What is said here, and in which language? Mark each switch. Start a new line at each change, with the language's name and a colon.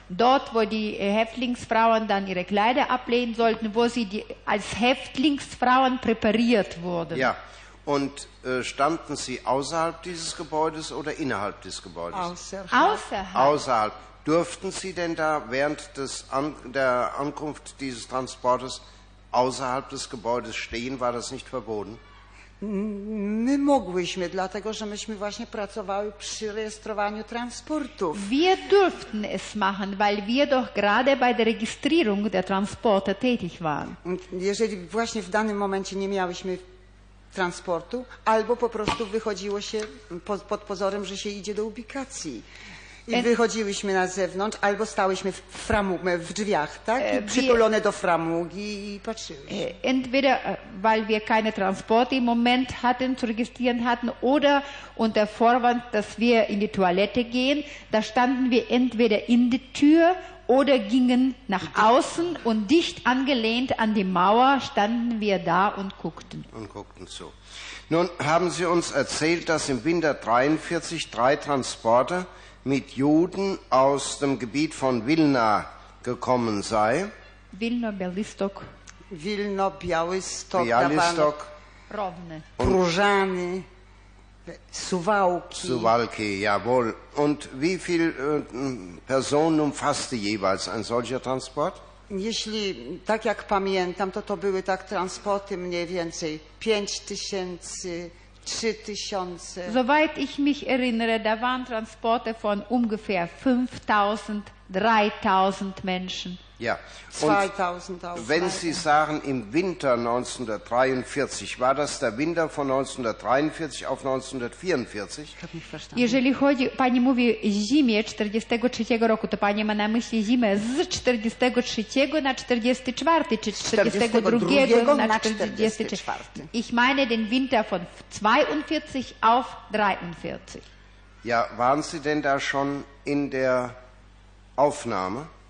German: Dort, wo die Häftlingsfrauen dann ihre Kleider ablegen sollten, wo sie die, als Häftlingsfrauen präpariert wurden. Ja. Und standen Sie außerhalb dieses Gebäudes oder innerhalb des Gebäudes? Außerhalb. Außerhalb. Durften Sie denn da während der Ankunft dieses Transportes außerhalb des Gebäudes stehen? War das nicht verboten?
Polish: My mogłyśmy, dlatego że myśmy właśnie pracowały przy rejestrowaniu transportów.
German: Wir durften es machen, weil wir doch gerade bei der Registrierung der Transporte tätig waren.
Polish: Und jeżeli właśnie w danym momencie nie miałyśmy transportu, albo po prostu wychodziło się pod pozorem, że się idzie do ubikacji. I wychodziliśmy na zewnątrz, albo stałyśmy w framugę, w drzwiach, tak? I przytulone do framugi i patrzyliśmy.
German: Entweder, weil wir keine Transporte im Moment hatten, zu registrieren hatten, oder unter Vorwand, dass wir in die Toilette gehen, da standen wir entweder in die Tür oder gingen nach außen und dicht angelehnt an die Mauer standen wir da und guckten. Und guckten so. Nun haben Sie uns erzählt, dass im Winter 43 drei Transporter mit Juden aus dem Gebiet von Vilna gekommen sei. Vilna, Białystok. Vilna, Białystok. Białystok. Rovne. Pruszany. Suwałki. Suwałki, jawohl. Und wie viele Personen umfasste jeweils ein solcher Transport?
Polish: Jeśli, tak jak pamiętam, to były tak transporty mniej więcej 5000, 3000.
German: Soweit ich mich erinnere, da waren Transporte von ungefähr 5000, 3000 Menschen. Ja, und 2000 wenn Sie sagen, im Winter 1943, war das der Winter von 1943 auf 1944? Ich habe nicht verstanden.
Polish: Jeżeli chodzi, pani mówi zimie 43 roku, to pani ma na myśli zimę z 43 na 44, czy 42 na 44.
German: Ich meine den Winter von 42 auf 43. Ja, waren Sie denn da schon in der Aufnahme?